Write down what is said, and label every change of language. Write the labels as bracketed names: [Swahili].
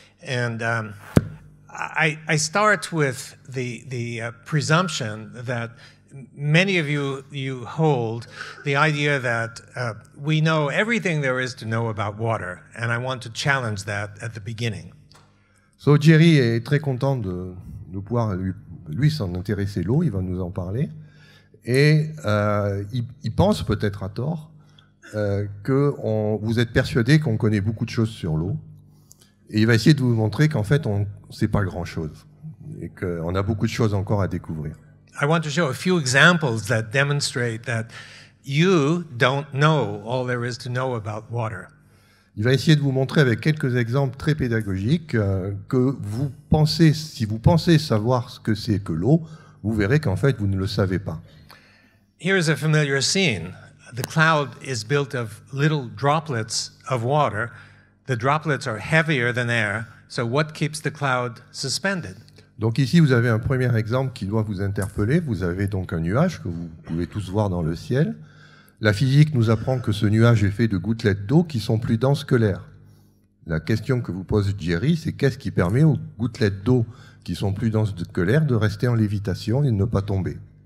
[English] And I start with the presumption that many of you hold the idea that we know everything there is to know about water, and I want to challenge that at the beginning. [French] So Jerry est très content de pouvoir lui s'en intéresser l'eau, il va nous en parler, et il pense peut-être à tort que vous êtes persuadé qu'on connaît beaucoup de choses sur l'eau. Et il va essayer de vous montrer qu'en fait, on ne sait pas grand-chose et qu'on a beaucoup de choses encore à découvrir. [English] I want to show a few examples that demonstrate that you don't know all there is to know about water. [French] Il va essayer de vous montrer avec quelques exemples très pédagogiques que vous pensez, si vous pensez savoir ce que c'est que l'eau, vous verrez qu'en fait, vous ne le savez pas. [English] Here is a familiar scene. The cloud is built of little droplets of water. The droplets are heavier than air, so what keeps the cloud suspended? [French] Donc ici, vous avez un premier exemple qui doit vous interpeller. Vous avez donc un nuage que vous pouvez tous voir dans le ciel. La physique nous apprend que ce nuage est fait de gouttelettes d'eau qui sont plus denses que l'air. La question que vous pose Jerry, c'est qu'est-ce qui permet aux gouttelettes d'eau qui sont plus denses que l'air de rester en lévitation et de ne pas tomber?